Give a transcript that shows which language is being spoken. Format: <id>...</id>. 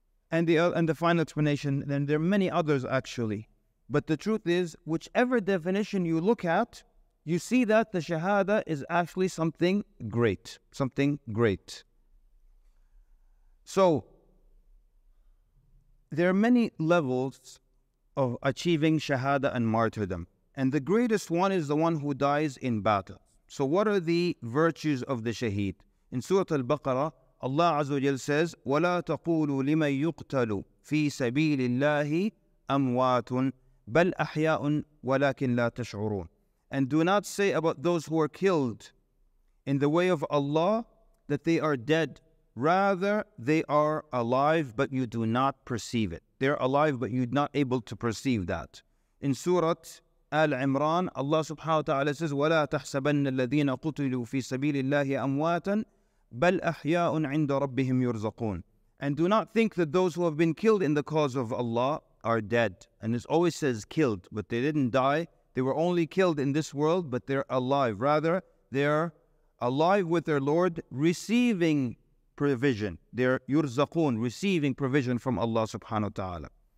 <en>And the final explanation, then there are many others actually, but the truth is, whichever definition you look at, you see that the Shahada is actually something great, something great. So, there are many levels of achieving Shahada and martyrdom. And the greatest one is the one who dies in battle. So what are the virtues of the shaheed? In Surah Al-Baqarah, Allah Azza wa Jal says,</en> <ar>وَلَا تَقُولُوا لِمَا يُقْتَلُ فِي سَبِيلِ اللَّهِ أَمْوَاتٌ بَلْ أَحْيَاءٌ وَلَكِنْ لَا تَشْعُرُونَ.</ar> <en>And do not say about those who are killed in the way of Allah that they are dead. Rather, they are alive, but you do not perceive it. They're alive, but you're not able to perceive that. In Surah Al-Imran, Allah subhanahu wa ta'ala says,</en> <ar>وَلَا تَحْسَبَنَّ الَّذِينَ قُتِلُوا فِي سَبِيلِ اللَّهِ أَمْوَاتًا بَلْ أَحْيَاءٌ عِنْدَ رَبِّهِمْ يُرْزَقُونَ.</ar> <en>And do not think that those who have been killed in the cause of Allah are dead. And it always says killed, but they didn't die. They were only killed in this world, but they're alive. Rather, they're alive with their Lord, receiving provision. They're يُرْزَقُونَ, receiving provision from Allah subhanahu wa ta'ala.</en>